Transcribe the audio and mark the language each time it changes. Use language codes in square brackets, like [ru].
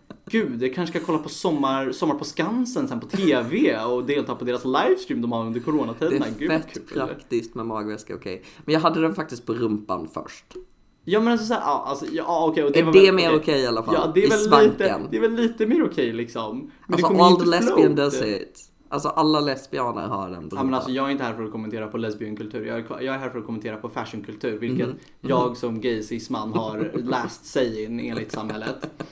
[sv] Gud, jag kanske ska kolla på sommar på Skansen sen på tv och delta på deras livestream de har under coronatiden. Det är gud, fett kul. Praktiskt med magväska, okej. Men jag hade den faktiskt på rumpan först. Ja, men alltså såhär, alltså, ja, okej. Okay, är det väl, mer okej okay, i alla fall? Ja, det är väl, lite mer okej okay, liksom. [en] Men alltså, all the lesbian does it. [sv] Alltså alla lesbianer har den. Ja, men alltså jag är inte här för att kommentera på lesbienkultur. Jag är här för att kommentera på fashionkultur, vilket jag som gay cis man har last say in enligt samhället.